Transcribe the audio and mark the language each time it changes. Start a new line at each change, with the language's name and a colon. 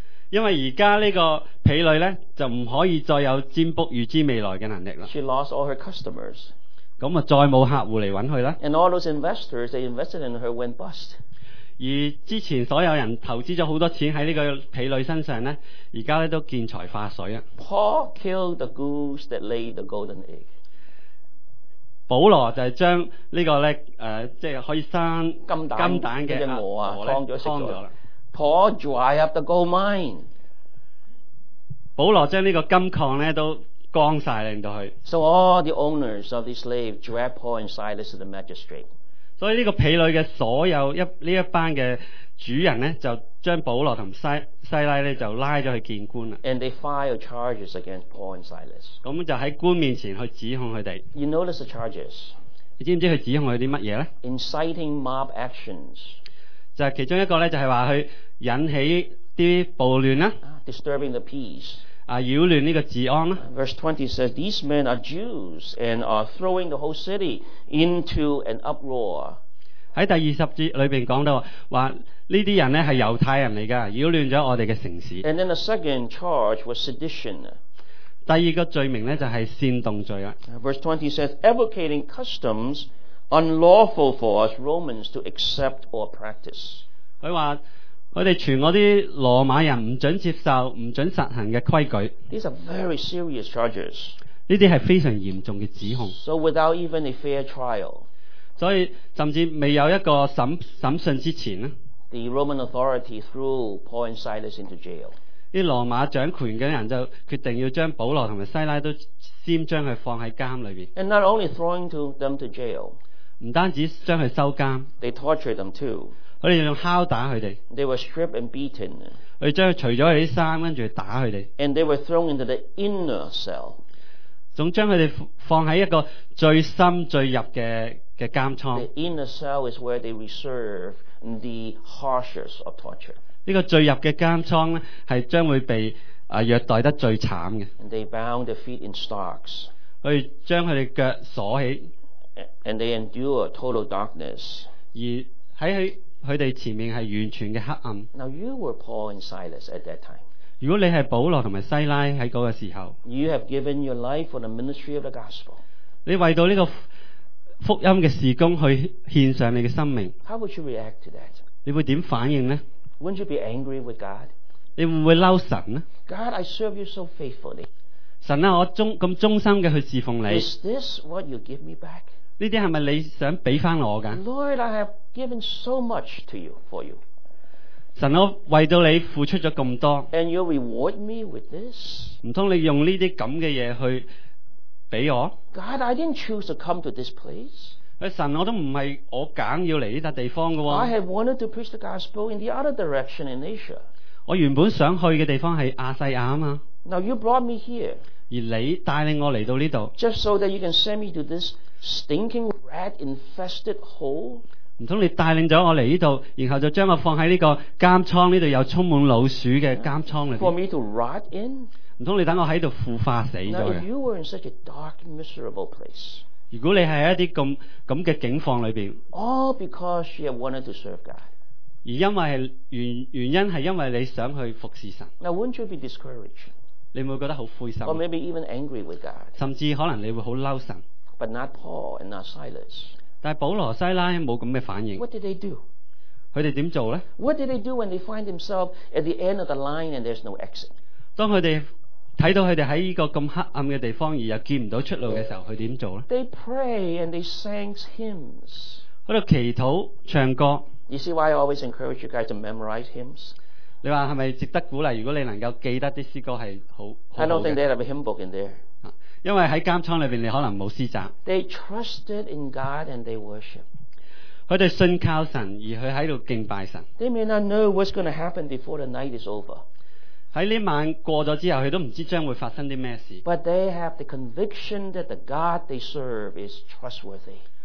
Chinese: 因为现在这个婢女呢就不可以再有占卜预知未来的能力了
English: She lost all her customers
Chinese: 那就再没有客户来找她
English: And all those investors they invested in her went bust
Chinese: 而之前所有人投资了很多钱在这个婢女身上呢，现在都见财化水。
English: Paul killed the goose that laid the golden egg.
Chinese: 保罗就是将这个呢、即是可以生金 蛋, 金蛋的鹅劏了吃了。
English: Paul dry up the gold mine.
Chinese: 保罗将这个金矿呢都干晒令到去。
English: So all the owners of the slave dragged Paul and Silas to the magistrate.
Chinese: 所以这个婢女的所有这一班的主人呢，就将保罗和西拉呢就拉了去见官了。
English: And they file charges against Paul and Silas.
Chinese: 那么就在官面前去指控他们。
English: You notice the charges.
Chinese: 你知不知道他指控他们什么呢？
English: Inciting mob actions.
Chinese: 就其中一个呢，就是说他引起暴乱啦。
English: Disturbing the peace.
Chinese: 扰乱这个治安。
English: Verse 20 says, These men are Jews and are throwing the whole city into an uproar.
Chinese: 在第二十节里面讲到说这些人是犹太人来的，扰乱了我们的城市。
English: And then the second charge was sedition.
Chinese: 第二个罪名就是煽动罪。
English: Verse 20 says, Advocating customs unlawful for us Romans to accept or practice.
Chinese: 他说他们全那些罗马人不准接受不准实行的规矩。
English: These are very serious charges.
Chinese: 这些是非常严重的指控。
English: So without even a fair trial,
Chinese: 所以甚至未有一个审讯之前，
English: The Roman authority threw Paul and Silas into jail.
Chinese: 这罗马掌权的人就决定要将保罗和西拉都先将他放在监里面。
English: And not only throwing them to jail,
Chinese: 不单止将他收监，
English: They tortured them too.
Chinese: 他们用敲打他们。
English: They were stripped and beaten.
Chinese: 他们将他除了他们的衣服跟着打他们。
English: And they were thrown into the inner cell.
Chinese: 还将他们放在一个最深最入 的监仓。
English: The inner cell is where they reserve the harshest of torture.
Chinese: 这个最入的监仓是将会被虐待得最惨的。
English: And they bound their feet in stocks.
Chinese: 他们将他们的脚锁起。
English: And they endure total darkness.
Chinese: 而在他们前面是完全的黑暗。
English: Now you were Paul and Silas at that time.
Chinese: 如果你是保罗和西拉在那个时候，
English: You have given your life for the ministry of the gospel.
Chinese: 你为到这个福音的事工去献上你的生命。
English: How would you react to that?
Chinese: 你会怎么反应呢？
English: Wouldn't you be angry with God?
Chinese: 你会不会生气呢？
English: God, I serve you so faithfully.
Chinese: 神啊，我这么忠心地去侍奉你。
English: Is this what you give me back?
Chinese: 这些是不是你想给回我的？
English: Lord, I have given so much to you, for you.
Chinese: 神，我为到你付出了这么多。
English: And you reward me with this?
Chinese: 难道你用这些这样的东西去给我？
English: God, I didn't choose to come to this place.
Chinese: 神，我都不是我选要来这个地方的。
English: I had wanted to preach the gospel in the other direction in Asia.
Chinese: 我原本想去的地方是亚细亚嘛。
English: Now you brought me here.
Chinese: 而你带领我来到这里。
English: Just so that you can send me to this stinking rat infested hole?
Chinese: 难道你带领了我来这里，然后就将我放在这个监仓，这里有充满老鼠的监仓里面。
English: For me to rot in?
Chinese: 难道你等我在这里腐化死了？
English: Now, if you were in such a dark, miserable place,
Chinese: 如果你是在一些这样的境况里面，
English: all because you have wanted to serve God.
Chinese: 而因为原因是因为你想去服侍神。
English: Now, wouldn't you be discouraged?
Chinese: 你会觉得很灰心。
English: Or maybe even angry with God.
Chinese: 甚至可能你会很生气神。
English: But not Paul and not Silas.
Chinese: 但保罗西拉没有这样的反应。
English: What did they do?
Chinese: 他们怎么做呢？
English: What did they do when they find themselves at the end of the line and there's no exit?
Chinese: 当他们看到他们在这个这么黑暗的地方而又见不到出路的时候，他们怎么做呢？
English: They pray and they sang hymns.
Chinese: 他们祈祷唱歌。
English: You see why I always encourage you guys to memorize hymns?
Chinese: 你说是不是值得鼓励，如果你能够记得的诗歌是好的？
English: I don't think they have a hymn book in there.
Chinese: 因为在监仓里面你可能没有施展。
English: They trusted in God and they worship.
Chinese: 他们信靠神而他在这里敬拜神。
English: They may not know what's going to happen before the night is over.
Chinese: 在这晚过了之后他都不知道将会发生什么事。
English: But they have the conviction that the God they serve is trustworthy.